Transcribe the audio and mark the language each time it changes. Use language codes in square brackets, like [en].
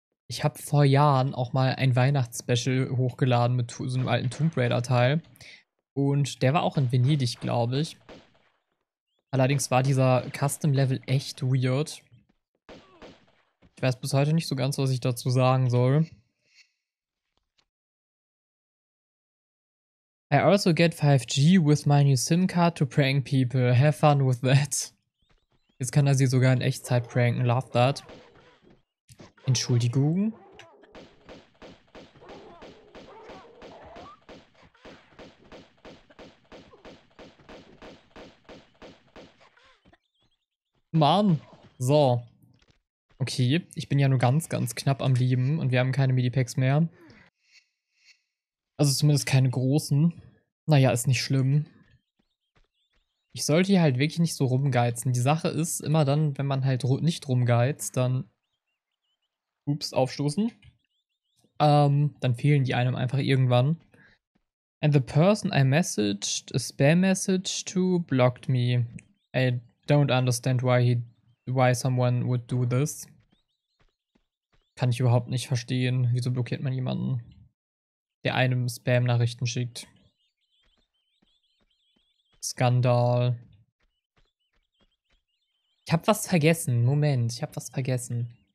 [de] Ich habe vor Jahren auch mal ein Weihnachtsspecial hochgeladen mit so einem alten Tomb Raider-Teil. Und der war auch in Venedig, glaube ich. Allerdings war dieser Custom-Level echt weird. Ich weiß bis heute nicht so ganz, was ich dazu sagen soll. [en] I also get 5G with my new SIM card to prank people. Have fun with that. [de] Jetzt kann er sie sogar in Echtzeit pranken. [en] Love that. [de] Entschuldigung. Mann. So. Okay, ich bin ja nur ganz, ganz knapp am Leben und wir haben keine Medipacks mehr. Also zumindest keine großen. Naja, ist nicht schlimm. Ich sollte hier halt wirklich nicht so rumgeizen. Die Sache ist, immer dann, wenn man halt nicht rumgeizt, dann. Ups, aufstoßen. Dann fehlen die einem einfach irgendwann. [en] And the person I messaged, a spam message to, blocked me. I don't understand why someone would do this. [de] Kann ich überhaupt nicht verstehen. Wieso blockiert man jemanden, der einem Spam-Nachrichten schickt? Skandal. Ich hab was vergessen. Moment, ich hab was vergessen.